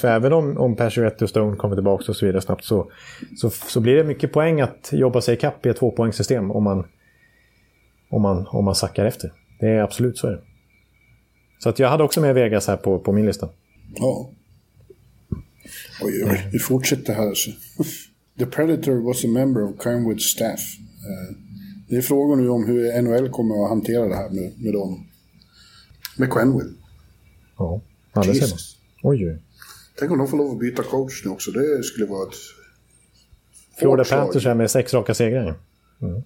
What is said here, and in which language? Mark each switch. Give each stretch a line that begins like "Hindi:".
Swedish: För även om Pacioretty och Stone kommer tillbaka och så vidare snabbt, så blir det mycket poäng att jobba sig i kapp i ett 2-poängssystem om man sackar efter. Det är absolut så är det. Så att jag hade också med Vegas här på min lista. Ja. Oj, oj, vi fortsätter här. Alltså.
English: The Predator was a member of Kernwood's staff.
Swedish: Det är frågan nu om hur NHL kommer att hantera det här med dem. Med Kernwood. Ja, alldeles är det. Oj, oj. Tänk om de får lov att byta coach nu också. Det skulle vara ett Florida Panthers är med 6 raka segrar. Mm.